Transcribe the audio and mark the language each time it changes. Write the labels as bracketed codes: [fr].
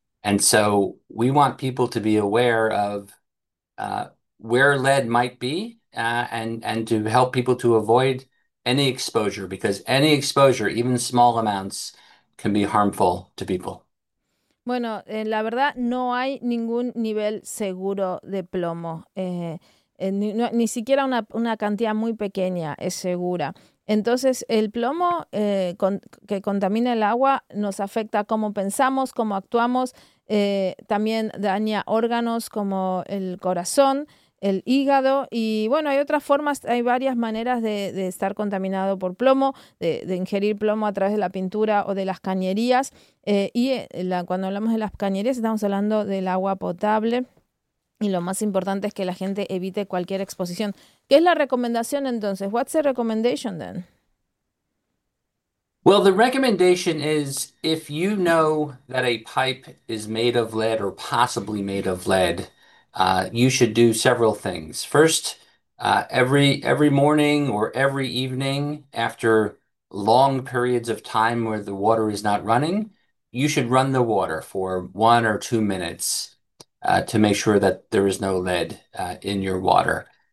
[en] And so we want people to be aware of where lead might be, and to help people to avoid any exposure, because any exposure, even small amounts, can be harmful to people. [es] Bueno, la verdad no hay ningún nivel seguro de plomo. Ni siquiera una cantidad muy pequeña es segura. Entonces, el plomo que contamina el agua nos afecta cómo pensamos, cómo actuamos. También daña órganos como el corazón, el hígado. Y bueno, hay otras formas, hay varias maneras de estar contaminado por plomo, de ingerir plomo a través de la pintura o de las cañerías. Cuando hablamos de las cañerías, estamos hablando del agua potable. Y lo más importante es que la gente evite cualquier exposición. ¿Qué es la recomendación entonces? [en] What's the recommendation then? Well, the recommendation is if you know that a pipe is made of lead or possibly made of lead, you should do several things. First, every morning or every evening after long periods of time where the water is not running, you should run the water for 1 or 2 minutes to make sure that there is no lead in your water.